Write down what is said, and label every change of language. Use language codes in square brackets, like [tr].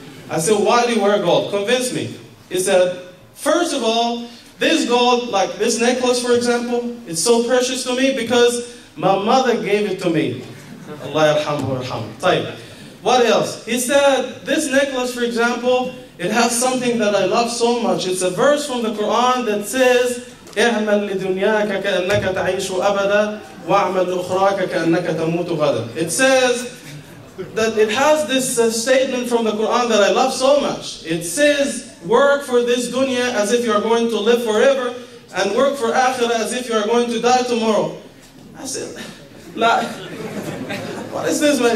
[en] I said, why do you wear gold? Convince me. He said, first of all, this gold, like this necklace, for example, it's so precious to me because my mother gave it to me. Allah yarhamhu warhamhu. Tayyib. What else? He said, this necklace, for example, it has something that I love so much. It's a verse from the Quran that says, [ar] اعمل لدنياك كأنك تعيش أبدا واعمل أخراك كأنك تموت غدا. [en] It says that it has this statement from the Quran that I love so much. It says, work for this dunya as if you are going to live forever, and work for akhirah as if you are going to die tomorrow. I said, la. What is this, man?